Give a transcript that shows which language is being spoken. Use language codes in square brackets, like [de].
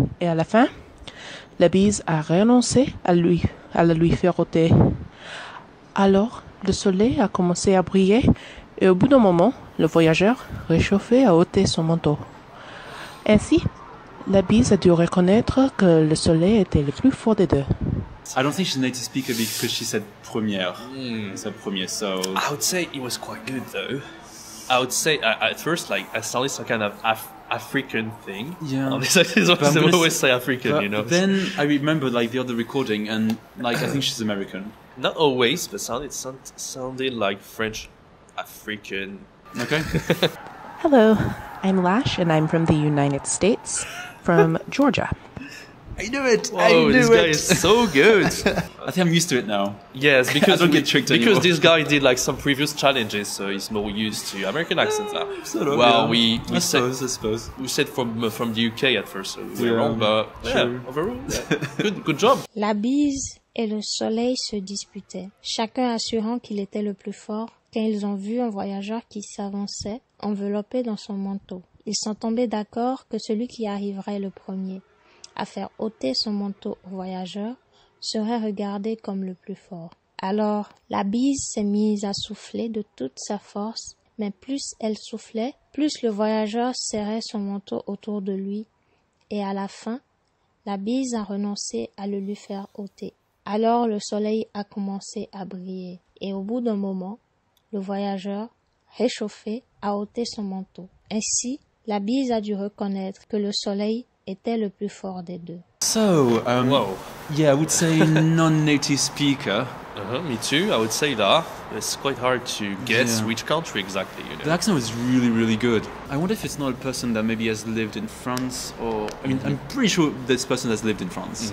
[fr] Et à la fin, la bise a renoncé à lui faire ôter. Alors, le soleil a commencé à briller et au bout d'un moment, le voyageur réchauffé a ôté son manteau. Ainsi, la bise a dû reconnaître que le soleil était le plus fort des deux. [en] I don't think she's native speaker because she said première. She said premier, so... I would say it was quite good, though. I would say, at first, like, I sounded some kind of African thing. Yeah. Honestly, I always say African, you know. Then I remember, like, the other recording, and, like, I think she's American. Not always, but sounded like French African. Okay. Hello, I'm Lash, and I'm from the United States, from Georgia. I knew it! Whoa, I knew this guy is so good! I think I'm used to it now. Yes, because I don't get tricked because anymore. This guy did like some previous challenges, so he's more used to American accents now. Sort of, well, yeah. I suppose. We said from the UK at first, so we were wrong, but overall, good job! [fr] La bise et le soleil se disputaient, chacun assurant qu'il était le plus fort, quand ils ont vu un voyageur qui s'avançait, enveloppé dans son manteau. Ils sont tombés d'accord que celui qui arriverait le premier à faire ôter son manteau au voyageur serait regardé comme le plus fort. Alors, la bise s'est mise à souffler de toute sa force, mais plus elle soufflait, plus le voyageur serrait son manteau autour de lui, et à la fin, la bise a renoncé à le lui faire ôter. Alors, le soleil a commencé à briller, et au bout d'un moment, le voyageur, réchauffé, a ôté son manteau. Ainsi, la bise a dû reconnaître que le soleil était le plus fort des deux. [en] So, yeah, I would say non-native speaker. Me too, I would say that. It's quite hard to guess which country exactly, you know. The accent was really, really good. I wonder if it's not a person that maybe has lived in France or... I mean, I'm pretty sure this person has lived in France.